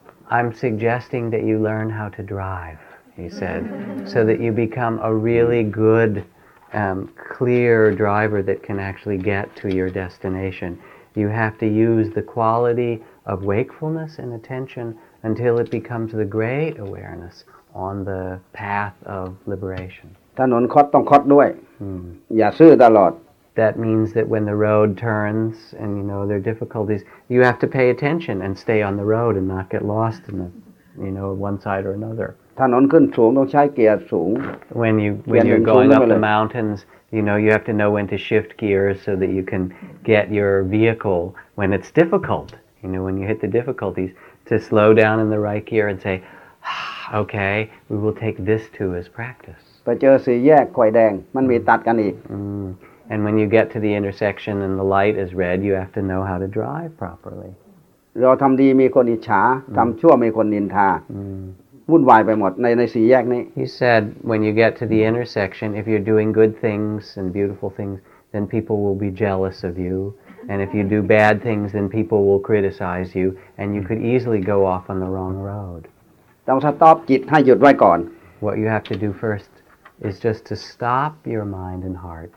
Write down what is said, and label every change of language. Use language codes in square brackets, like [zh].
[en] I'm suggesting that you learn how to drive, he said, so that you become a really good, clear driver that can actually get to your destination. You have to use the quality of wakefulness and attention until it becomes the great awareness. On the path of liberation. [th] ถนนคดต้องคดด้วย อย่าซื่อตลอด [en] That means that when the road turns and you know there are difficulties, you have to pay attention and stay on the road and not get lost in the, you know, one side or another. [th] ถนนขึ้นสูงต้องใช้เกียร์สูง [en] When you're going up the mountains, you know you have to know when to shift gears so that you can get your vehicle when it's difficult. You know when you hit the difficulties to slow down in the right gear and say. Okay, we will take this too as practice. [th] ไปเจอสี่แยกไฟแดงมันมีตัดกันอีก [en] And when you get to the intersection and the light is red, you have to know how to drive properly. [th] เราทำดีมีคนอิจฉาทำชั่วมีคนนินทาวุ่นวายไปหมดในสี่แยกนี้ [en] He said, when you get to the intersection, if you're doing good things and beautiful things, then people will be jealous of you. And if you do bad things, then people will criticize you, and you could easily go off on the wrong road. [th] ต้องสต๊อปจิตให้หยุดไว้ก่อน [en] What you have to do first is just to stop your mind and heart.